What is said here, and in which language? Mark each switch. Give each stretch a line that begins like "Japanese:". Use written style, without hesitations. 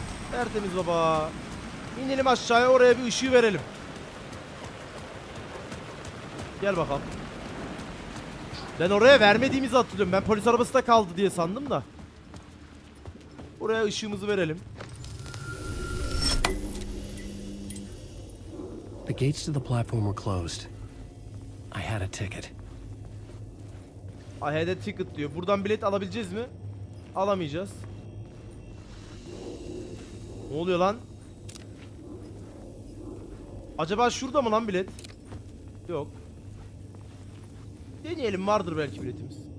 Turkish: Tertemiz baba. İnelim aşağıya, oraya bir ışığı verelim. Gel bakalım. Ben oraya vermediğimizi hatırlıyorum. Ben polis arabası da kaldı diye sandım da. Buraya ışığımızı verelim.
English: The gates to the platform were closed. I had a ticket. I had a ticket
Turkish: diyor. Buradan bilet alabileceğiz mi? Alamayacağız. Ne oluyor lan? Acaba şurada mı lan bilet? Yok. Deneyelim, vardır belki biletimiz.